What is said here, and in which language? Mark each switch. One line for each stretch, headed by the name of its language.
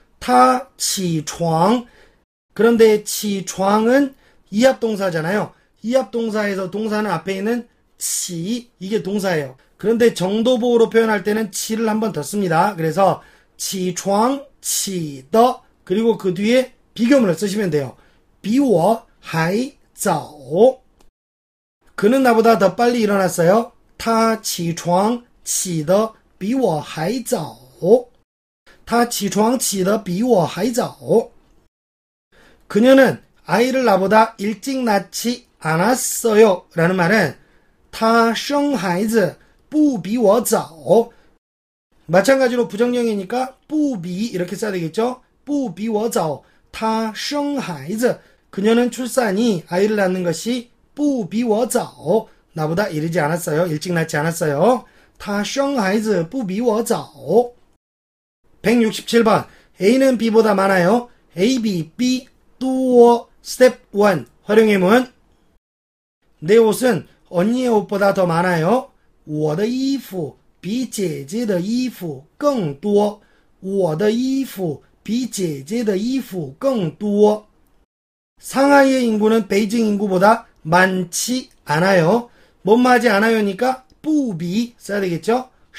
Chinese: 他起床起得比我还早.他起床,
Korean: 그런데 起床은 이합동사잖아요. 이합동사에서 동사는 앞에 있는 起, 이게 동사예요. 그런데 정도보호로 표현할 때는 起를 한번 더 씁니다. 그래서 起床起的 그리고 그 뒤에 비교문을 쓰시면 돼요.
Chinese: 比我还早.
Korean: 그는 나보다 더 빨리 일어났어요.
Chinese: 他起床起的比我还早.他起床起的比我还早.
Korean: 그녀는 아이를 나보다 일찍 낳지 않았어요. 라는 말은
Chinese: 他生孩子 不比我早.
Korean: 마찬가지로 부정형이니까 不比 이렇게 써야 되겠죠?
Chinese: 不比我早.他生孩子
Korean: 그녀는 출산이 아이를 낳는 것이
Chinese: 不比我早.
Korean: 나보다 이르지 않았어요. 일찍 낳지 않았어요.
Chinese: 他生孩子不比我早.
Korean: 167번. A는 B보다 많아요. AB, B, 多.Step 1. 활용해문. 내 옷은 언니의 옷보다 더 많아요.
Chinese: 我的衣服比姐姐的衣服更多.我的衣服比姐姐的衣服更多.
Korean: 상하이의 인구는 베이징 인구보다 많지 않아요. 뭐뭐하지 않아요니까 不比 써야 되겠죠?